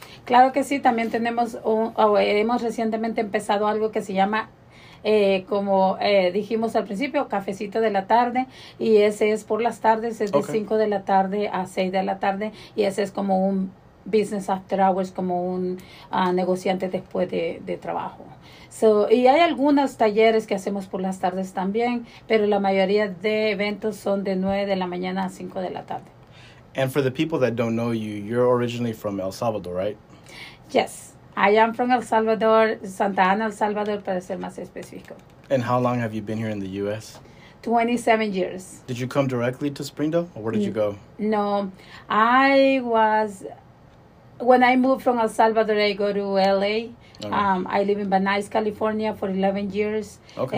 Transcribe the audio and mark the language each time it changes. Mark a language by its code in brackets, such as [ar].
[es] Claro que sí, también tenemos, hemos recientemente empezado algo que se llama, dijimos al principio, cafecito de la tarde, y ese es por las tardes, es de 5 de la tarde a 6 de la tarde, y ese es como un [en] business after hours, [es] como un negociante después de trabajo. So, y hay algunos talleres que hacemos por las tardes también, pero la mayoría de eventos son de 9 de la mañana a 5 de la tarde. [en] And for the people that don't know you, you're originally from El Salvador, right? Yes, I am from El Salvador, Santa Ana, El Salvador, [es] para ser más específico. [en] And how long have you been here in the U.S.? 27 years. Did you come directly to Springdale, or where did you go? No, I was, when I moved from El Salvador, I go to L.A. I live in Van Nuys, California for 11 years. Okay.